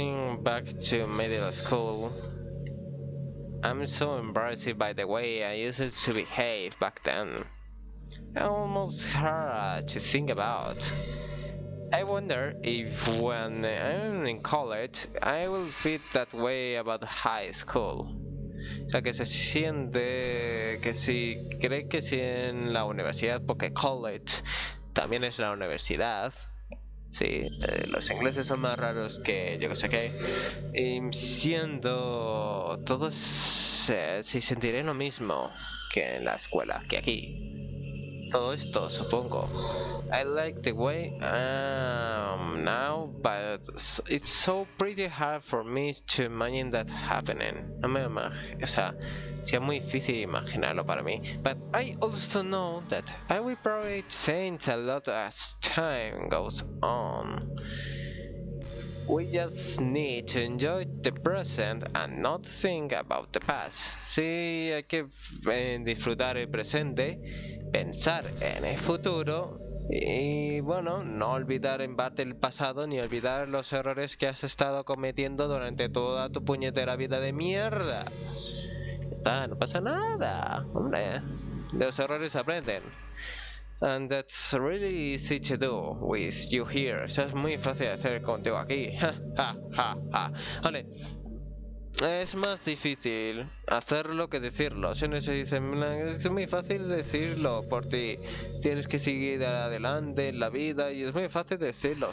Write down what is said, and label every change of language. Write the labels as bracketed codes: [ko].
[en] Sometimes I think back to middle school. I'm so embarrassed by the way I used to behave back then. Almost hard to think about. I wonder if when I'm in college, I will feel that way about high school. [es] O sea, que se siente que si cree que si en la universidad, porque college también es la universidad. Sí, los ingleses son más raros que yo que sé qué. Y siendo todos, si sentiré lo mismo que en la escuela, que aquí. Todo esto, supongo. [en] I like the way I am now, but it's so pretty hard for me to imagine that happening. [es] No me imagino, o sea, sea muy difícil imaginarlo para mí. [en] But I also know that I will probably change a lot as time goes on. We just need to enjoy the present and not think about the past. [es] Sí, hay que disfrutar el presente, pensar en el futuro y, bueno, no olvidar en parte el pasado ni olvidar los errores que has estado cometiendo durante toda tu puñetera vida de mierda. Está, no pasa nada, hombre. Los errores aprenden. [en] And that's really easy to do with you here. [es] Eso es muy fácil de hacer contigo aquí. Vale. Es más difícil hacerlo que decirlo. Si no se dice, es muy fácil decirlo por ti. Tienes que seguir adelante en la vida y es muy fácil decirlo.